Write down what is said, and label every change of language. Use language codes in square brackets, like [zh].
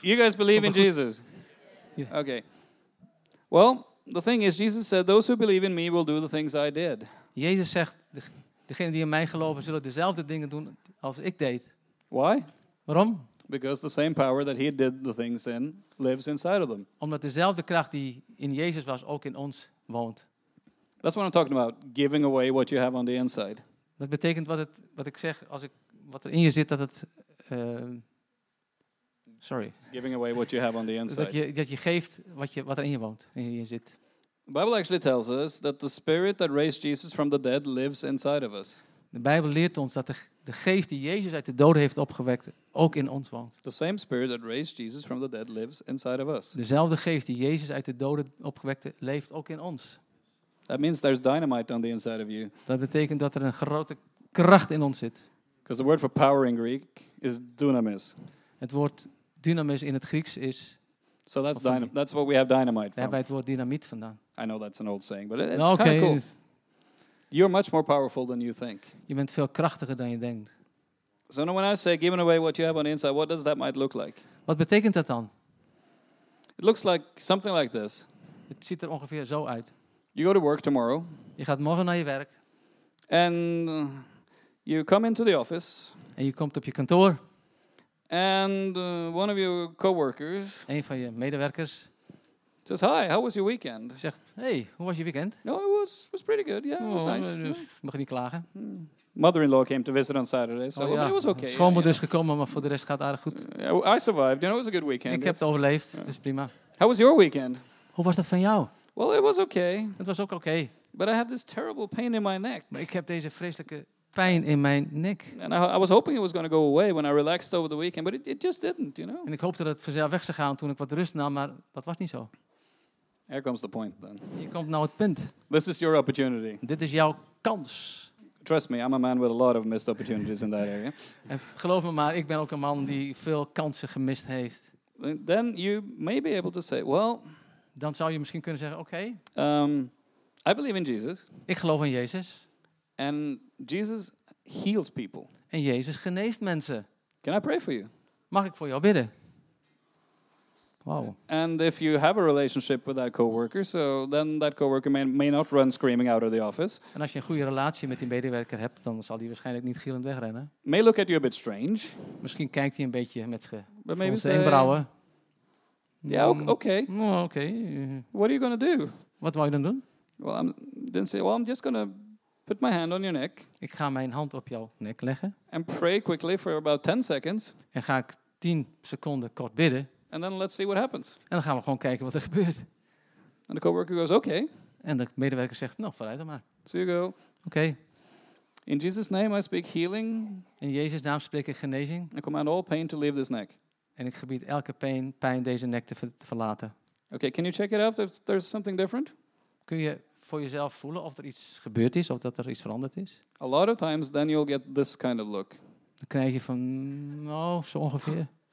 [en] You guys believe in Jesus? Yeah. Okay. Well, the thing is, Jesus said, "Those who believe in me will do the things I did." [nl] Jezus zegt, degenen die in mij geloven, zullen dezelfde dingen doen als ik deed. [en] Why? [nl] Waarom? [en] Because the same power that he did the things in lives inside of them. [nl] Omdat dezelfde kracht die in Jezus was ook in ons woont. [en] That's what I'm talking about, giving away what you have on the inside. [nl] Dat betekent wat ik zeg als ik wat er in je zit dat het [en] giving away what you have on the inside. [nl] Dat je geeft wat er in je woont, in je zit. [en] The Bible actually tells us that the spirit that raised Jesus from the dead lives inside of us. [nl] De Bijbel leert ons dat de geest die Jezus uit de doden heeft opgewekt, ook in ons woont. [en] The same spirit that raised Jesus from the dead lives inside of us. [nl] Dezelfde geest die Jezus uit de doden opgewekte, leeft ook in ons. [en] That means there's dynamite on the inside of you. [nl] Dat betekent dat er een grote kracht in ons zit. [en] Because the word for power in Greek is dunamis. [nl] Het woord dynamis in het Grieks is. [en] So that's that's what we have dynamite from. [nl] Daar bij het woord dynamiet vandaan. [en] I know that's an old saying, but it's kind of cool. You're much more powerful than you think. [nl] Je bent veel krachtiger dan je denkt. [en] So when I say giving away what you have on the inside, what does that might look like? [nl] Wat betekent dat dan? [en] It looks like something like this. [nl] Het ziet er ongeveer zo uit. [en] You go to work tomorrow. [nl] Je gaat morgen naar je werk. [en] And you come into the office. [nl] En je komt op je kantoor. [en] And one of your coworkers. [nl] Een van je medewerkers. [en] Says hi. How was your weekend? [nl] Zegt, hey, hoe was je weekend? [en] No, oh, it was pretty good. Yeah, it was nice. [nl] Mag niet klagen. [en] Mother-in-law came to visit on Saturday, so oh, yeah. It was okay. [nl] Schoonmoeder is gekomen, maar voor de rest gaat aardig goed. [en] I survived. You know, it was a good weekend. [nl] Ik heb het overleefd, dus prima. [en] How was your weekend? [nl] Hoe was dat van jou? [en] Well, it was okay. [nl] Het was ook okay. [en] But I have this terrible pain in my neck. [nl] Maar ik heb deze vreselijke pijn in mijn nek. [en] And I was hoping it was going to go away when I relaxed over the weekend, but it just didn't, you know. [nl] En ik hoopte dat het vanzelf weg zou gaan toen ik wat rust nam, maar dat was niet zo. [en] Here comes the point then. [nl] Hier komt nou het punt. [en] This is your opportunity. [nl] Dit is jouw kans. [en] Trust me, I'm a man with a lot of missed opportunities in that area. [nl] En geloof me maar, ik ben ook een man die veel kansen gemist heeft. [en] Then you may be able to say, well. [nl] Dan zou je misschien kunnen zeggen, oké. [en] I believe in Jesus. [nl] Ik geloof in Jezus. [en] And Jesus heals people. [nl] En Jezus geneest mensen. [en] Can I pray for you? [nl] Mag ik voor jou bidden? Wow. [en] And if you have a relationship with that coworker, so then that coworker may not run screaming out of the office. [nl] En als je een goede relatie met die medewerker hebt, dan zal die waarschijnlijk niet gillend wegrennen. [en] May look at you a bit strange. [nl] Misschien kijkt hij een beetje met wenkbrauwen. Ja, oké. Oké. [en] What are you going to do? [nl] Wat wou je dan doen? [en] Well, I'm didn't say, well, I'm just going to put my hand on your neck. [nl] Ik ga mijn hand op jouw nek leggen. [en] And pray quickly for about 10 seconds. [nl] En ga ik 10 seconden kort bidden. [en] And then let's see what happens. [nl] En dan gaan we gewoon kijken wat er gebeurt. [en] And the coworker goes, okay. [nl] En de medewerker zegt, nou, vooruit dan maar. [en] So you go. Okay. In Jesus' name I speak healing. [nl] In Jezus' naam spreek ik genezing. [en] I command all pain to leave this neck. [nl] En ik gebied elke pijn deze nek te verlaten. [en] Okay, can you check it out if there's something different? [nl] Kun je voor jezelf voelen of er iets gebeurd is of dat er iets veranderd is? [en] A lot of times then you'll get this kind of look. [nl] Dan krijg je van, nou, zo ongeveer.